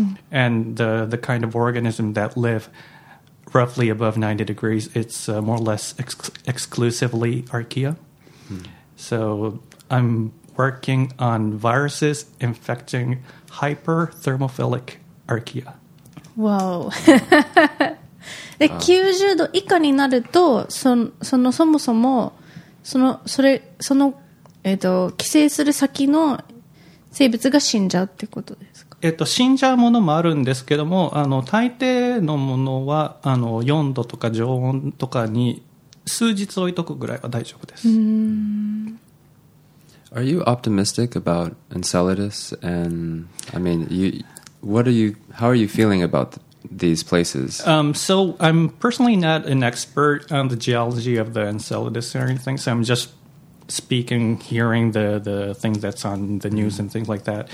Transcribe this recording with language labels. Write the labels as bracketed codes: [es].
[en] And the kind of organism that live roughly above 90 degrees, it's more or less exclusively archaea. So I'm working on viruses infecting hyperthermophilic archaea. Wow. [ja] で90度以下になると、そもそも寄生する先の生物が死んじゃうってことですか？死んじゃうものもあるんですけども、あの大抵のものはあの4度とか常温とかに数日置いとくぐらいは大丈夫です。 [en] Are you optimistic about Enceladus? And I mean, how are you feeling about these places? So I'm personally not an expert on the geology of the Enceladus or anything, so I'm just speaking, hearing the things that's on the news and things like that.